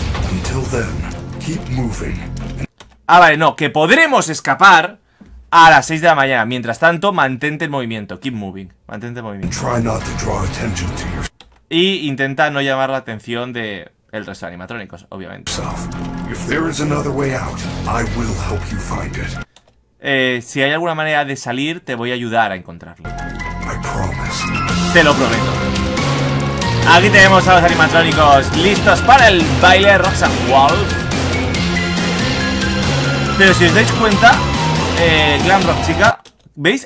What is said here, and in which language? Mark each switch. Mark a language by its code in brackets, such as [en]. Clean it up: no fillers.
[en] Until then, keep moving. [es] Ah, vale, no, que podremos escapar a las 6 de la mañana. Mientras tanto, mantente en movimiento. [en] Keep moving. [es] Mantente en movimiento. [en] Try not to draw attention to your... [es] Y intenta no llamar la atención de el resto de animatrónicos, obviamente. [en] If there is another way out, I will help you find it. [es] Si hay alguna manera de salir, te voy a ayudar a encontrarlo. [en] I promise. [es] Te lo prometo. Aquí tenemos a los animatrónicos listos para el baile Roxanne Wolf. Pero si os dais cuenta, Glam Rock Chica, ¿veis?